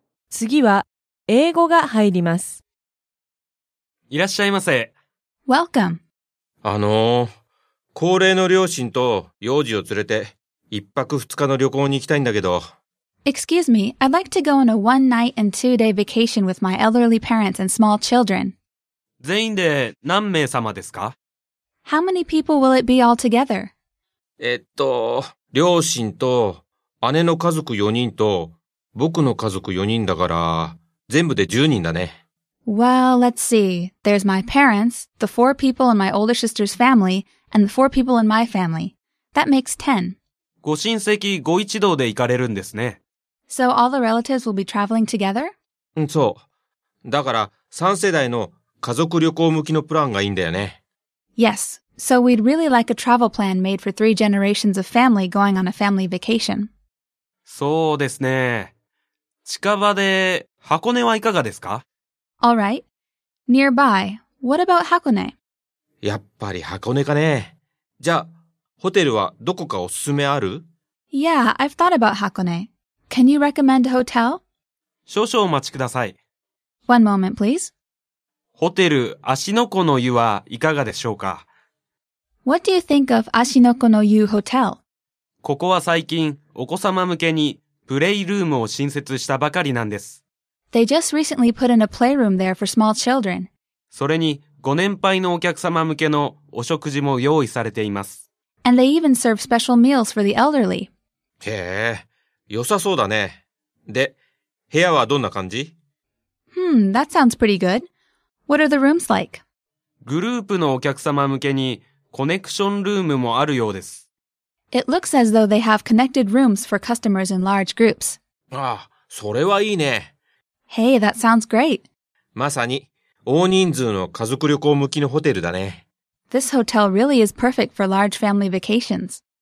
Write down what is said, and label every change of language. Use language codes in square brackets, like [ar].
[ja] 次は英語が入ります。いらっしゃいませ。 [en] Welcome. [ja] 高齢の両親と幼児を連れて一泊二日の旅行に行きたいんだけど、 [en] Excuse me, I'd like to go on a one-night and two-day vacation with my elderly parents and small children. [ja] 全員で何名様ですか? [en] How many people will it be altogether? [ja] 両親と姉の家族4人と僕の家族4人だから全部で10人だね。 [en] Well, let's see. There's my parents, the four people in my older sister's family, and the four people in my family. That makes 10. [ja] ご親戚ご一同で行かれるんですね。 [en] So all the relatives will be traveling together? [ja] うん、そう。だから3世代の家族旅行向きのプランがいいんだよね。 [en] Yes. So we'd really like a travel plan made for 3 generations of family going on a family vacation. [ja] そうですね。近場で箱根はいかがですか? [en] All right. Nearby. What about Hakone? [ja] やっぱり箱根かね。じゃあ、ホテルはどこかおすすめある? [en] Yeah, I've thought about Hakone. Can you recommend a hotel? [ja] 少々お待ちください。 [en] One moment, please. [ja] ホテル芦ノ湖の湯はいかがでしょうか? [en] What do you think of 芦ノ湖の湯 hotel? [ja] ここは最近お子様向けにプレイルームを新設したばかりなんです。 [en] They just recently put in a playroom there for small children. [ja] それにご年配のお客様向けのお食事も用意されています。 [en] And they even serve special meals for the elderly. [ja] へえ、良さそうだね。で、部屋はどんな感じ？ [en] Hmm, that sounds pretty good. What are the rooms like? [ja] グループのお客様向けにコネクションルームもあるようです。 [en] It looks as though they have connected rooms for customers in large groups. [ja] ああ、それはいいね。 [en] Hey, that sounds great. [ja] まさに、大人数の家族旅行向きのホテルだね。 [en] This hotel really is perfect for large family vacations.